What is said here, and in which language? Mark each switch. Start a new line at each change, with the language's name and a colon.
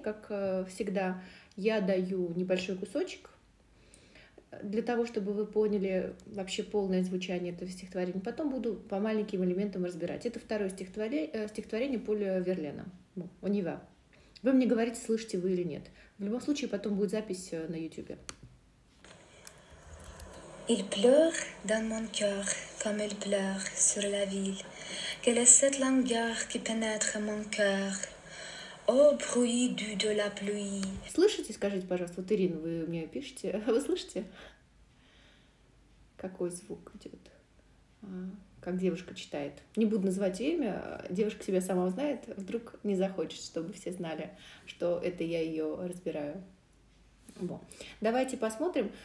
Russian: Как всегда, я даю небольшой кусочек для того, чтобы вы поняли вообще полное звучание этого стихотворения. Потом буду по маленьким элементам разбирать. Это второе стихотворение Поля Верлена. Онива. Вы мне говорите, слышите вы или нет. В любом случае, потом будет запись на YouTube.
French: Il pleure dans mon cœur, comme elle pleure sur la ville. Quelle est cette langueur qui pénètre mon cœur? О, bruit du de la pluie.
Russian: Слышите, скажите, пожалуйста, вот Ирина, вы мне пишете, вы слышите, какой звук идет, как девушка читает. Не буду называть ее имя, девушка себя сама узнает, вдруг не захочет, чтобы все знали, что это я ее разбираю. Во. Давайте посмотрим.